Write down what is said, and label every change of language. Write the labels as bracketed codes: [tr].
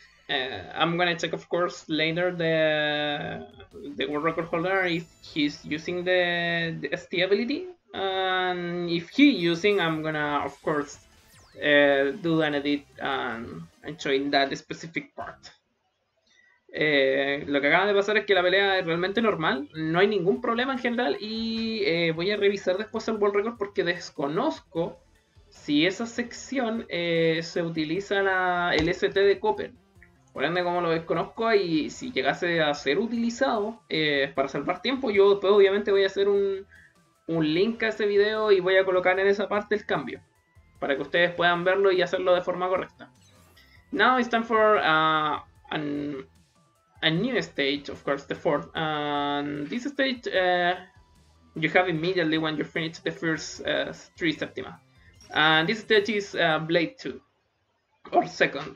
[en] I'm gonna check, of course, later the world record holder if he's using the ST ability. And if he using, I'm gonna, of course, do an edit and show in that specific part. [es] Lo que acaba de pasar es que la pelea es realmente normal, no hay ningún problema en general y voy a revisar después el World Record porque desconozco si esa sección se utiliza la, el ST de Copper. Por ende, como lo desconozco y si llegase a ser utilizado para salvar tiempo, yo después obviamente voy a hacer un link a ese video y voy a colocar en esa parte el cambio para que ustedes puedan verlo y hacerlo de forma correcta. [en] Now it's time for a new stage, of course, the fourth. And this stage you have immediately when you finish the first three séptima. And this stage is Blade 2 or second.